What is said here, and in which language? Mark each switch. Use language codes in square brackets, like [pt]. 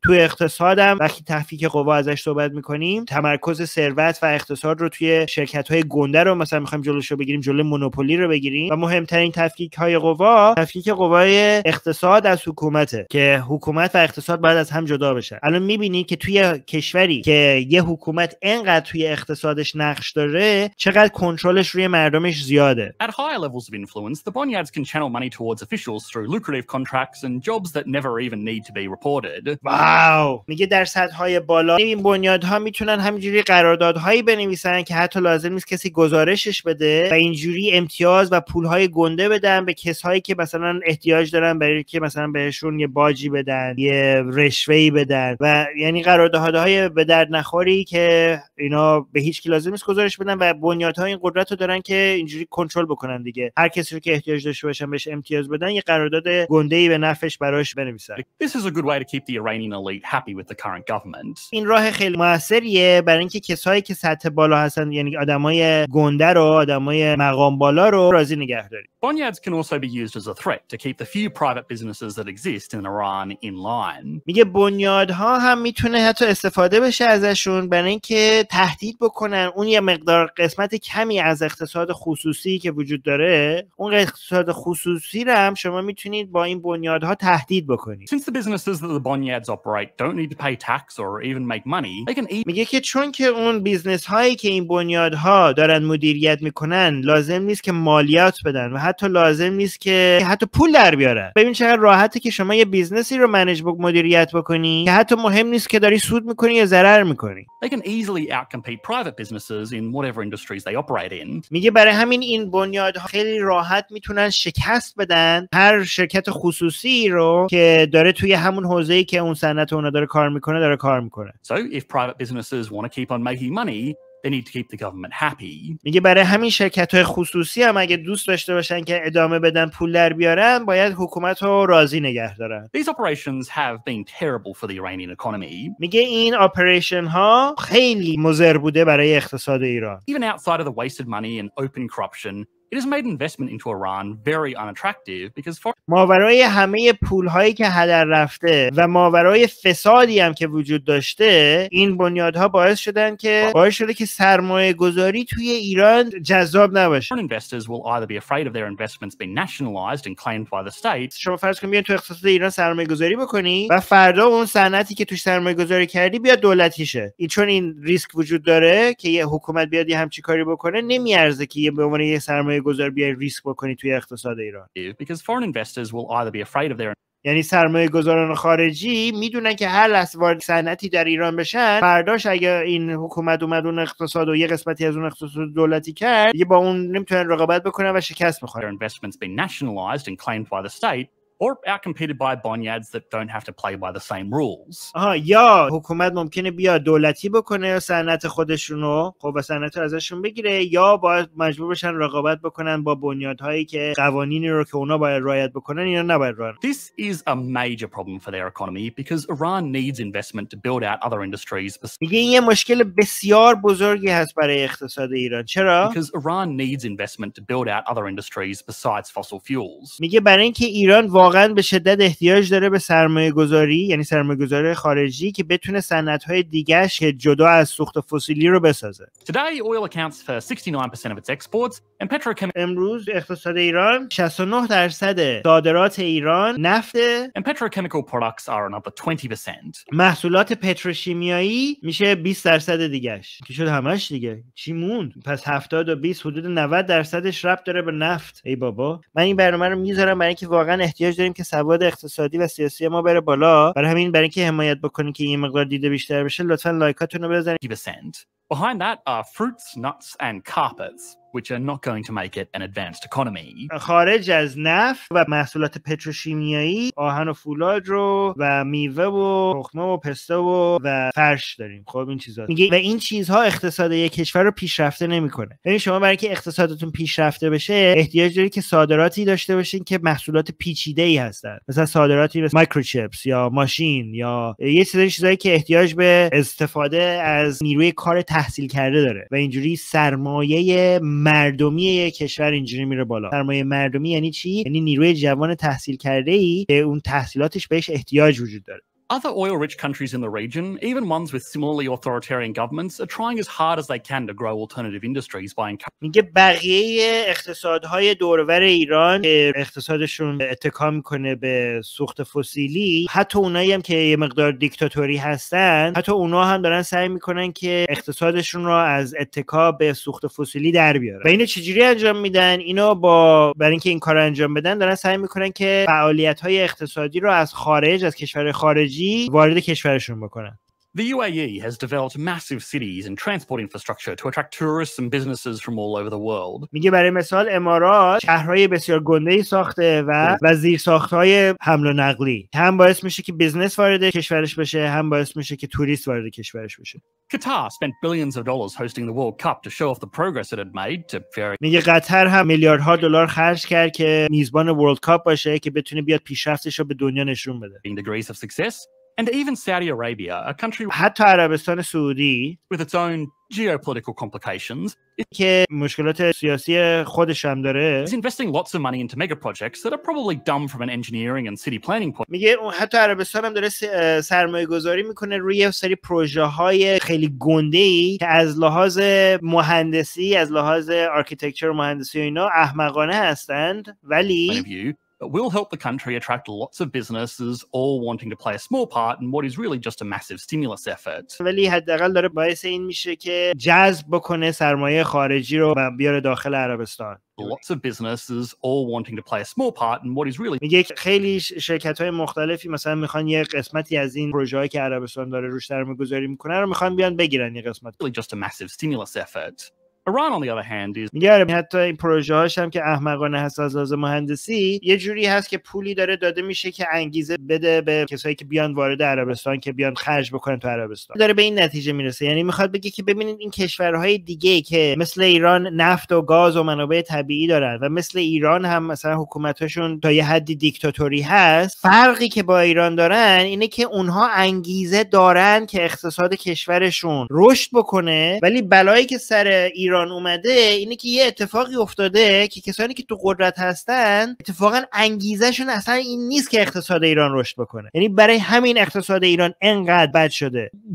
[fa] تو اقتصادم وقتی تفکیک قوا ازش صحبت میکنیم، تمرکز ثروت و اقتصاد رو توی شرکت‌های گنده رو مثلا می‌خوایم جلوشو بگیریم، جلوی مونوپولی رو بگیریم و مهمترین تفکیک‌های قوا، تفکیک قوای اقتصاد از حکومته که حکومت و اقتصاد باید از هم جدا بشن. الان می‌بینی که توی کشوری که یه حکومت اینقدر توی اقتصادش نقش داره، چقدر کنترلش روی مردمش زیاده. [en] At high levels of influence, the bonyads can channel money towards officials through lucrative contracts and jobs that never even need to be reported. [fa] واو! میگه در سطح‌های بالا این بنیادها میتونن میکنن همینجوری قراردادهایی بنویسن که حتی لازم نیست کسی گزارشش بده و اینجوری امتیاز و پولهای گنده بدن به کسایی که مثلا احتیاج دارن برای که مثلا بهشون یه باجی بدن، یه رشوه‌ای بدن و یعنی قراردادهای به درد نخوری که اینا به هیچ کی لازم نیست گزارش بدن و بنیادها این قدرت رو دارن که اینجوری کنترل بکنن دیگه، هر کسی رو که احتیاج داشته باشن بهش امتیاز بدن یه قرارداد گنده‌ای به نفعش براش بنویسن. [en] This is a good way to keep the Iranian elite happy with the current government. [fa] این راه خیلی موثریه برای اینکه کسایی که سطح بالا هستن، یعنی آدمای گنده رو، آدمای مقام بالا رو راضی نگه داری. [en] Bonyads can also be used as a threat to keep the few private businesses that exist in Iran in line. [fa] میگه بنیادها هم میتونه حتی استفاده بشه ازشون برای اینکه تهدید بکنن اون یه مقدار قسمت کمی از اقتصاد خصوصی که وجود داره، اون اقتصاد خصوصی رو هم شما میتونید با این بنیادها تهدید بکنید. [en] Since the businesses that the Bonyads operate don't need to pay tax or even make money, they can eat. [fa] میگه که چون که اون بیزنس هایی که این بنیادها دارن مدیریت میکنن لازم نیست که مالیات بدن و حتی لازم نیست که حتی پول در بیارن. ببین چقدر راحته که شما یه بیزنسی رو منیج مدیریت بکنی که حتی مهم نیست که داری سود میکنی یا ضرر میکنی. [en] They can easily outcompete private businesses in whatever industries they operate in. [fa] میگه برای همین این بنیادها خیلی راحت میتونن شکست بدن هر شرکت خصوصی رو که داره توی همون حوزه‌ای که اون صنعت اونا داره کار میکنه داره کار میکنه. [en] So if private businesses want to keep on making money, they need to keep the government happy. [fa] میگه برای همین شرکت‌های خصوصی هم اگه دوست داشته باشن که ادامه بدن پول در بیارن باید حکومت رو راضی نگه دارن. [en] These operations have been terrible for the Iranian economy. [fa] میگه این آپریشن‌ها خیلی مضر بوده برای اقتصاد ایران. [en] Even outside of the wasted money and open corruption, it has made investment into Iran very unattractive because for [fa] ماورای همه پولهایی که هدر رفته و ماورای فسادی هم که وجود داشته این بنیادها باعث شدن که باعث شده که سرمایه گذاری توی ایران جذاب نباشه. [en] Foreign investors will either be afraid of their investments being nationalized and claimed by the state. [fa] شما فرض کن بیان تو اقتصاد ایران سرمایه گذاری بکنی و فردا اون صنعتی که توش سرمایه گذاری کردی بیاد دولتی شه. این چون این ریسک وجود داره که یه حکومت بیاد یه همچی کاری بکنه نمیارزه که یه به عنوان یه سرمایه گذار بیای ریسک بکنی توی اقتصاد ایران. [en] Because foreign investors will either be afraid of their [fa] یعنی سرمایه گذاران خارجی میدونن که هر لحظه وارد صنعتی در ایران بشن فرداش اگه این حکومت اومد اون اقتصاد و یه قسمتی از اون اقتصاد دولتی کرد دیگه با اون نمیتونن رقابت بکنن و شکست بخورن. [en] Their investments been nationalized and claimed by the state or outcompeted by bonyads that don't have to play by the same rules. [fa] آها، یا حکومت ممکنه بیاد دولتی بکنه صنعت خودشون رو، خب صنعت ازشون بگیره یا باید مجبور بشن رقابت بکنن با بنیادهایی که قوانینی رو که اونا باید رعایت بکنن اینا نباید رعایت. [en] This is a major problem for their economy because Iran needs investment to build out other industries. [fa] میگه این یه مشکل بسیار بزرگی هست برای اقتصاد ایران. چرا؟ [en] Because Iran needs investment to build out other industries besides fossil fuels. [fa] میگه برای اینکه ایران واقعا به شدت احتیاج داره به سرمایه گذاری، یعنی سرمایه گذاری خارجی که بتونه صنعت‌های دیگه‌اش که جدا از سوخت فسیلی رو بسازه. [en] Today oil accounts for 69% of its exports and petrochemicals. [fa] امروز اقتصاد ایران 69% صادرات ایران نفت [en] and petrochemical products are another 20%. [fa] محصولات پتروشیمیایی میشه 20% دیگه‌اش. که شد همش دیگه. چی موند؟ پس 70 و 20 حدود 90%ش ربط داره به نفت. ای بابا من این برنامه رو می‌ذارم برای اینکه واقعا احتیاج داریم که سواد اقتصادی و سیاسی ما بره بالا. برای همین برای اینکه حمایت بکنید که این مقدار دیده بیشتر بشه لطفاً لایکاتونو بزنید. [en] Behind that are fruits, nuts and carpets, which are not going to make it an advanced economy. [fa] خارج از نفت و محصولات پتروشیمیایی، آهن و فولاد رو و میوه و تخمه و پسته و فرش داریم. خب این چیزا میگه و این چیزها اقتصاد یک کشور رو پیشرفته نمی‌کنه. یعنی شما برای اینکه اقتصادتون پیشرفته بشه، احتیاج دارید که صادراتی داشته باشین که محصولات پیچیده‌ای هستن. مثلا صادراتی مثل مایکروچیپس یا ماشین یا یه سری چیزایی که احتیاج به استفاده از نیروی کار تحصیل کرده داره و اینجوری سرمایه مردمی یک کشور اینجوری میره بالا. سرمایه مردمی یعنی چی؟ یعنی نیروی جوان تحصیل کرده ای که اون تحصیلاتش بهش احتیاج وجود داره. [en] Other oil rich countries in the region, even ones with similarly authoritarian governments, are trying as hard as they can to grow alternative industries by [fa] میگه بقیه اقتصادهای دور و بر ایران که اقتصادشون اتکا میکنه به سوخت فسیلی، حتی اونایی هم که یه مقدار دیکتاتوری هستن، حتی اونا هم دارن سعی میکنن که اقتصادشون رو از اتکا به سوخت فسیلی در بیارن. و اینو چجوری انجام میدن؟ اینو با برای اینکه این کارو انجام بدن دارن سعی میکنن که فعالیت‌های اقتصادی رو از خارج از کشور خارج وارد کشورشون بکنن. [en] The UAE has developed massive cities and transport infrastructure to attract tourists and businesses from all over the world. [fa] میگه برای مثال امارات شهرهای بسیار گنده‌ای ساخته و زیرساخت‌های حمل و نقلی. هم باعث میشه که بیزنس وارد کشورش بشه، هم باعث میشه که توریست وارد کشورش بشه. [en] Qatar spent billions of dollars hosting the World Cup to show off the progress it had made to very [fa] میگه قطر هم میلیاردها دلار خرج کرد که میزبان ورلد کاپ باشه که بتونه بیاد پیشرفتش رو به دنیا نشون بده. [en] Being the grace of success. And even Saudi Arabia, a country [fa] حتی عربستان سعودی [en] with its own geopolitical complications [fa] که مشکلات سیاسی خودش هم داره [en] is investing lots of money into mega projects that are probably dumb from an engineering and city planning point [fa] میگه حتی عربستان هم داره سرمایه گذاری میکنه روی سری پروژه های خیلی گنده ای که از لحاظ مهندسی از لحاظ architecture مهندسی و اینا احمقانه هستند ولی [en] But we'll help the country attract lots of businesses all wanting to play a small part in what is really just a massive stimulus effort. [fa] ولی حداقل داره باعث این میشه که جذب بکنه سرمایه خارجی رو بیاره داخل عربستان. [en] Lots of businesses all wanting to play a small part in what is really [fa] میگه خیلی شرکت‌های مختلفی مثلا میخوان یه قسمتی از این پروژه‌ای که عربستان داره روش سرمایه‌گذاری می‌کنه رو میخوان بیان بگیرن یه قسمت. [en] Really just a massive stimulus effort. Iran on the other hand is [fa] میگه حتی این پروژه هاش هم که احمقانه هست از لحاظ مهندسی یه جوری هست که پولی داره داده میشه که انگیزه بده به کسایی که بیان وارد عربستان که بیان خرج بکنن تو عربستان داره به این نتیجه میرسه یعنی میخواد بگه که ببینید این کشورهای دیگه که مثل ایران نفت و گاز و منابع طبیعی دارن و مثل ایران هم مثلا حکومتشون تا یه حدی دیکتاتوری هست فرقی که با ایران دارن اینه که اونها انگیزه دارن که اقتصاد کشورشون رشد بکنه ولی بلایی که سر ایران اومده اینه که یه اتفاقی افتاده که کسانی که تو قدرت هستن اتفاقا انگیزهشون اصلا این نیست که اقتصاد ایران رشد بکنه یعنی برای همین اقتصاد ایران انقدر بد شده